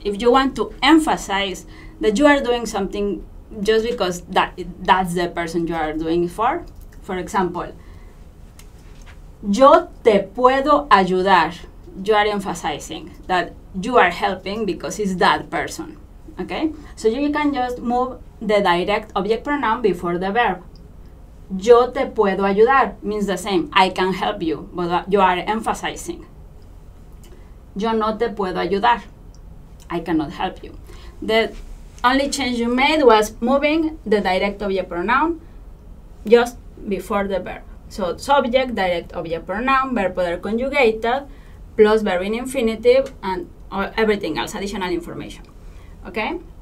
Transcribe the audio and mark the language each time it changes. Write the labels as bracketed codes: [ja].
[en] If you want to emphasize that you are doing something just because that's the person you are doing it for. For example, [es] yo te puedo ayudar. [en] You are emphasizing that you are helping because it's that person, okay? So you can just move the direct object pronoun before the verb. [es] Yo te puedo ayudar [en] means the same. I can help you, but you are emphasizing. [es] Yo no te puedo ayudar. [en] I cannot help you. The only change you made was moving the direct object pronoun just before the verb. So subject, direct object pronoun, verb poder conjugated, plus verb in infinitive, and everything else, additional information. Okay?